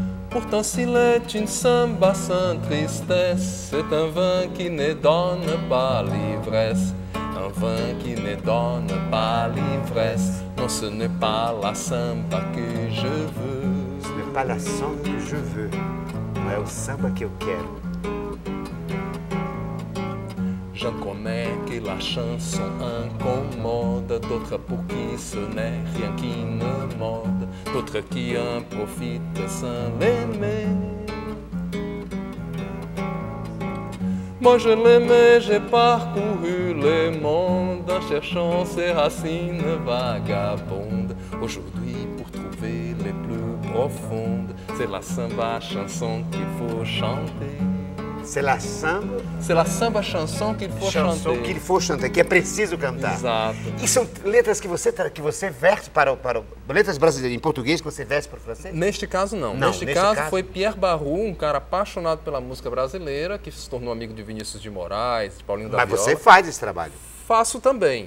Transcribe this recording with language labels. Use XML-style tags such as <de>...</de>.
<fr>Pourtant, s'il est une samba sans tristesse, c'est un vin qui ne donne pas l'ivresse. Un vin qui ne donne pas l'ivresse. Non, ce n'est pas la samba que je veux. Ce n'est pas la samba que je veux.</fr> <pt>Não é o samba que eu quero.</pt> <fr>J'en connais que la chanson incomode. D'autres pour qui ce n'est rien qui ne morde. D'autres qui en profitent sans l'aimer. Moi je l'aimais, j'ai parcouru le monde en cherchant ses racines vagabondes. Aujourd'hui pour trouver les plus profondes, c'est la samba chanson qu'il faut chanter. C'est la samba? C'est la samba chanson qu'il faut chanter. Chanson qu'il faut chanter,</fr> <pt>que é preciso cantar. Exato. E são letras que você verte para letras brasileiras em português que você verte para o francês? Neste caso, não. Não neste caso, foi Pierre Barrou, um cara apaixonado pela música brasileira, que se tornou amigo de Vinícius de Moraes, de Paulinho da Mas Viola. Mas você faz esse trabalho? Faço também.</pt>